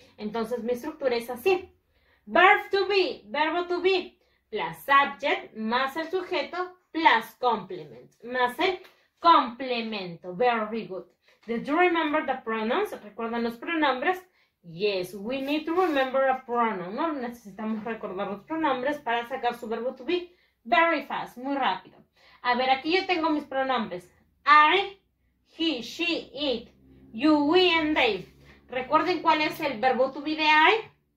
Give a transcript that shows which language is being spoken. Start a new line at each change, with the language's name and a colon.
Spanish: Entonces mi estructura es así. Verb to be, verbo to be,
English: plus subject,
Spanish: más el sujeto,
English: plus complement,
Spanish: más el complemento.
English: Very good. Did you remember the pronouns?
Spanish: ¿Recuerdan los pronombres?
English: Yes, we need to remember a pronoun, ¿no?
Spanish: Necesitamos recordar los pronombres para sacar su verbo to be
English: very fast,
Spanish: muy rápido. A ver, aquí yo tengo mis pronombres.
English: I, he, she, it, you, we, and they.
Spanish: ¿Recuerden cuál es el verbo to be de I?